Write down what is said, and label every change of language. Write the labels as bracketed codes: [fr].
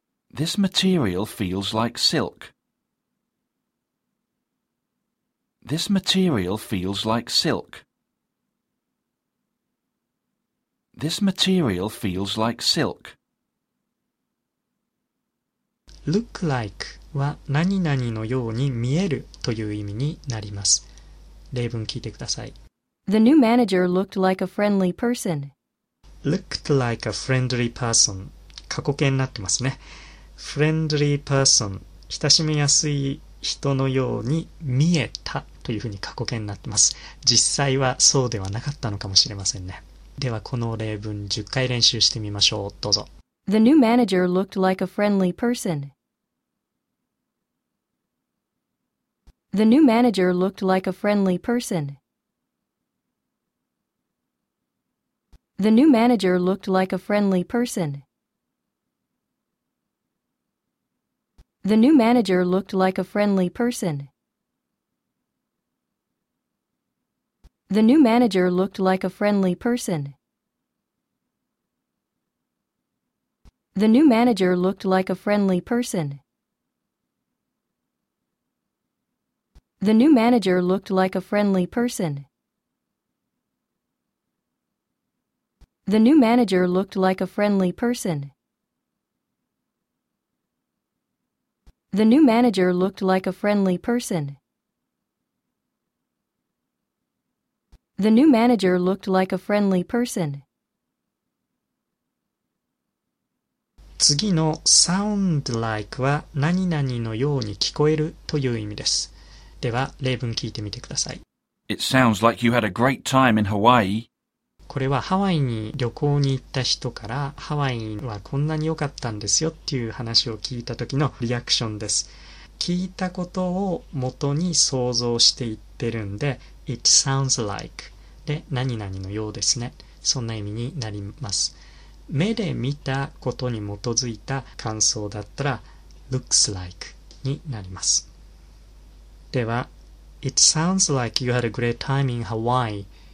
[en] This material feels like silk. This material feels like silk. This material feels like silk. Look like [ja] は何々のように見えるという意味になります。例文聞いてください。 [en] The new manager looked like a friendly person. Looked like a friendly person. [ja] 過去形になってますね。 [en] Friendly person、 [ja] 親しみやすい人のように見えたというふうに過去形になってます。実際はそうではなかったのかもしれませんね。ではこの例文10回練習してみましょう。どうぞ。 [en] The new manager looked like a friendly person. The new manager looked like a friendly person. The new manager looked like a friendly personThe new manager looked like a friendly person. The new manager looked like a friendly person. The new manager looked like a friendly person. The new manager looked like a friendly person. The new manager looked like a friendly person. The new manager looked like a friendly person. The new manager looked like a friendly person. [ja] 次の [en] sound like [ja] は何々のように聞こえるという意味です。では例文聞いてみてください。 [en] It sounds like you had a great time in Hawaii. [ja] これはハワイに旅行に行った人から、ハワイはこんなに良かったんですよっていう話を聞いた時のリアクションです。聞いたことを元に想像していってるんで、 [en] It sounds like [ja] で何々のようですね、そんな意味になります。目で見たことに基づいた感想だったら [en] Looks like [ja] になります。では [en] It sounds like you had a great time in Hawaii.